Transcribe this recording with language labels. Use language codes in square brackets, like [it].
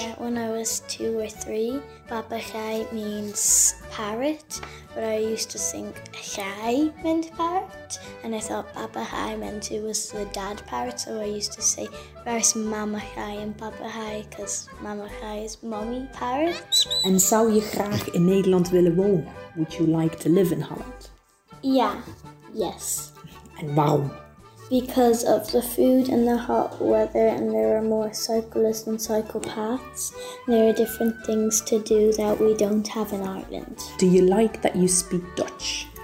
[en] Yeah, when I was 2 or 3, papegaai means parrot, but I used to think gaai meant parrot, and I thought papegaai meant it was the dad parrot, so I used to say, where's mama gaai and papegaai, because mama gaai is mommy parrot. [nl] En zou je graag in Nederland willen wonen? [en] Would you like to live in Holland? Yeah, yes. [nl] En waarom? [en] Because of the food and the hot weather, and there are more cyclists and cycle paths. There are different things to do that we don't have in Ireland. Do you like that you speak Dutch?